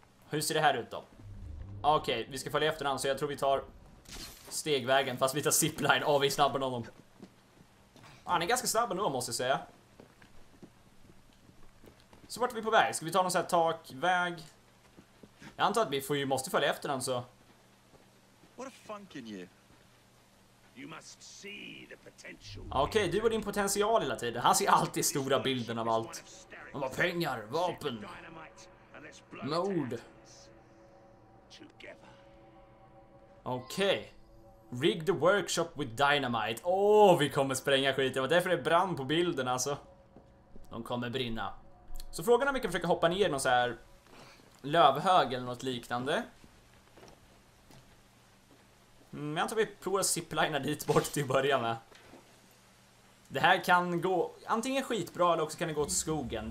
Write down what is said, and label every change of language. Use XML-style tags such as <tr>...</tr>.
<sv>Hur ser det här ut då? Okej, vi ska följa efter honom, så jag tror vi tar stegvägen, fast vi tar zipline. Åh, vi är snabbare än honom. Han är ganska snabb nu, måste jag säga. Så vart är vi på väg? Ska vi ta någon sån här takväg? Jag antar att vi får ju måste följa efter den så.</sv> <en>What a funk in you. You must see the potential.</en> <sv>Okej, du har din potential hela tiden. Han ser alltid stora bilden av allt. Han har pengar, vapen. Mord. Okej.</sv> <en>Rig the workshop with dynamite.</en> <sv>Åh, vi kommer spränga skit. Det var därför det brann på bilden alltså. De kommer brinna. Så frågan är om vi kan försöka hoppa ner någon så här lövhög eller något liknande. Men jag tror vi provar att ziplina dit bort till att börja med. Det här kan gå antingen skitbra eller också kan det gå till skogen.</sv>